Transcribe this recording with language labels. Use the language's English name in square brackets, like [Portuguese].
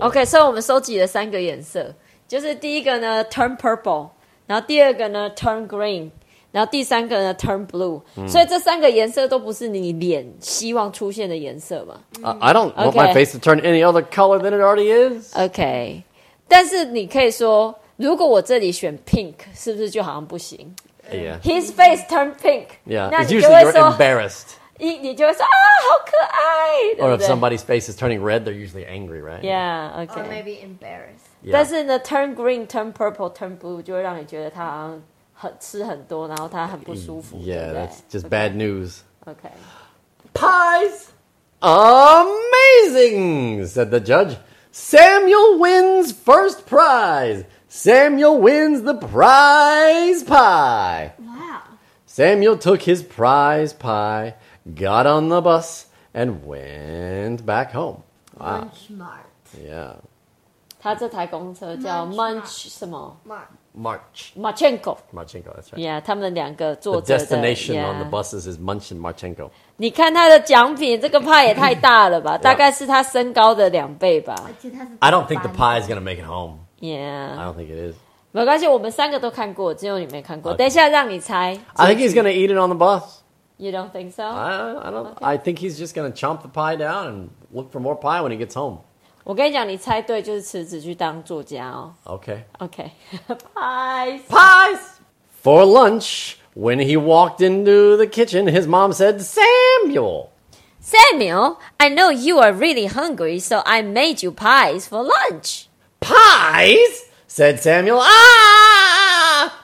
[English] Okay, so [Chinese] 我们收集了三个颜色。就是第一个呢 [English] turn purple, [Chinese] 然后第二个呢 [English] turn green. [Chinese] 然后第三个呢 , [English] turn blue.、 [Chinese] 嗯、所以这三个颜色都不是你脸希望出现的颜色嘛。 [English] I don't want、okay. my face to turn any other color than it already is. Okay. [Chinese] 但是你可以说如果我这里选 pink, 是不是就好像不行 [English] ,yeah. His face turned pink. Yeah, it's usually you're embarrassed. [Chinese] 你就会说啊好可爱。 [English] Or [Chinese] 对不对 [English] if somebody's face is turning red, they're usually angry, right? Yeah, okay. Or maybe embarrassed.、 Yeah. [Chinese] 但是呢 , [English] turn green, turn purple, turn blue, [Chinese] 就会让你觉得他吃很多然后他很不舒服 [English] Yeah, [Chinese] 对不对 [English] that's just bad news. Okay. Pies! Amazing! Said the judge. Samuel wins first prize. Samuel wins the prize pie. Wow. Samuel took his prize pie, got on the bus, and went back home. Wow. Munchmart. Yeah. [Chinese] 他这台公车叫 Munch 什么 [English] Mart. Marchenko, that's right. Yeah, [Chinese] 他们两个坐着 [English] 的 The destination、 yeah. on the buses is Munch and Marchenko. [Chinese] 你看他的奖品，这个派也太大了吧？大概是他身高的两倍吧。 [English] I don't think the pie is going to make it home. Yeah. I don't think it is. [Chinese] 没关系，我们三个都看过，只有你没看过。 [English] Okay. [Chinese] 等一下让你猜。 [English] I think he's going to eat it on the bus. You don't think so? I don't.、Okay. I think he's just going to chomp the pie down and look for more pie when he gets home. [Chinese] 我跟你讲，你猜对就是辞职去当作家哦。 [English] Okay. Okay. Pies. Pies! For lunch, when he walked into the kitchen, his mom said, Samuel! Samuel, I know you are really hungry, so I made you pies for lunch. Pies! Said Samuel. Ah!